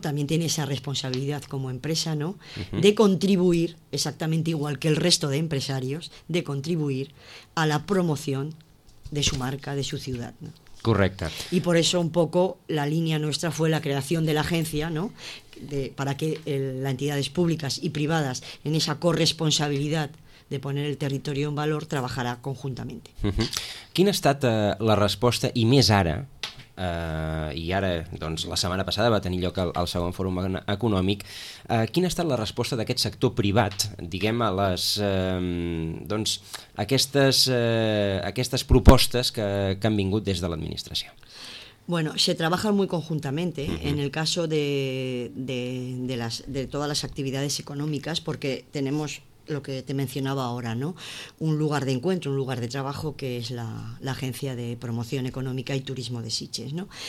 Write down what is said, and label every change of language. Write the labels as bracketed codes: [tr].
[es] También tiene esa responsabilidad como empresa, ¿no? De contribuir, exactamente igual que el resto de empresarios, de contribuir a la promoción de su marca, de su ciudad, ¿no? [ca] Correcte. [es] Y por eso un poco la línea nuestra fue la creación de la agencia, ¿no? Para que las entidades públicas y privadas en esa corresponsabilidad de poner el territorio en valor trabajará conjuntamente. [ca] Quina ha estat la resposta, i més ara, i ara, doncs, la setmana passada va tenir lloc el segon fòrum econòmic, quina ha estat la resposta d'aquest sector privat, diguem, a les, doncs, aquestes propostes que han vingut des de l'administració? [es] Bueno, se trabaja muy conjuntamente en el caso de todas las actividades económicas, porque tenemos lo que te mencionaba ahora, ¿no? Un lugar de encuentro, un lugar de trabajo que es la Agencia de Promoción Económica y Turismo de Sitges, ¿no?